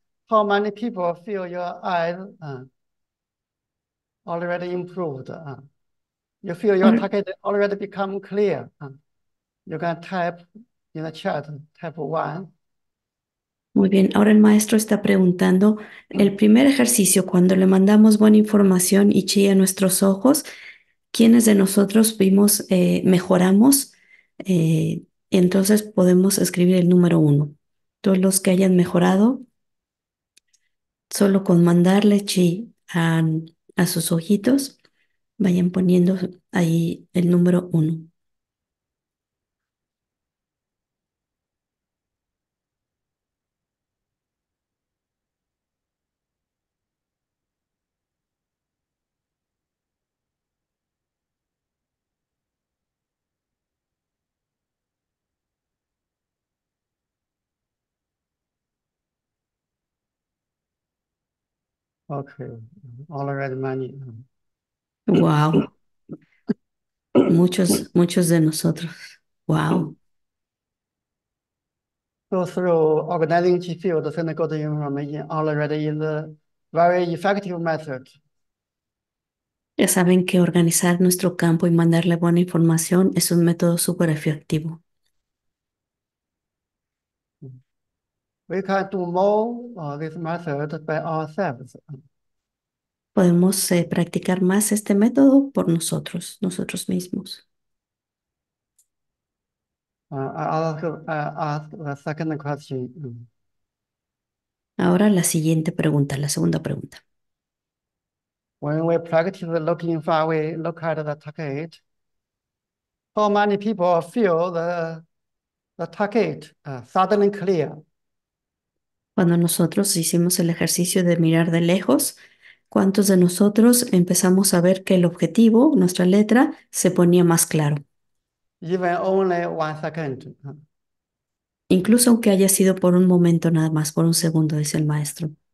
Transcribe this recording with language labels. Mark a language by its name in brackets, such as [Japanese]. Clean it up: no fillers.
[English] How many people feel your eyes already improved? You feel your target already become clear. You can type in the chat, type one. [Spanish] Muy bien, ahora el maestro está preguntando, el primer ejercicio, cuando le mandamos buena información y chilla nuestros ojos, ¿quiénes de nosotros vimos, mejoramos? Entonces podemos escribir el número uno. Todos los que hayan mejorado, solo con mandarle chi a sus ojitos, vayan poniendo ahí el número uno. [English] Okay, already many. [Spanish] Wow, muchos, muchos de nosotros. Wow. [English] Organizing chi field, send the good information already in the very effective method. [Spanish] Ya saben que organizar nuestro campo y mandarle buena información es un método súper efectivo. [English] We can do more of this method by ourselves. [Spanish] Podemos practicar más este método por nosotros mismos. [English] I'll ask the second question. [Spanish] Ahora la siguiente pregunta, la segunda pregunta. [English] When we practice looking far away, look at the target. How many people feel the target suddenly clear? [Spanish] Cuando nosotros hicimos el ejercicio de mirar de lejos, ¿cuántos de nosotros empezamos a ver que el objetivo, nuestra letra, se ponía más claro? [English] Even only 1 second. [Spanish] Incluso aunque haya sido por un momento nada más, por un segundo, dice el maestro.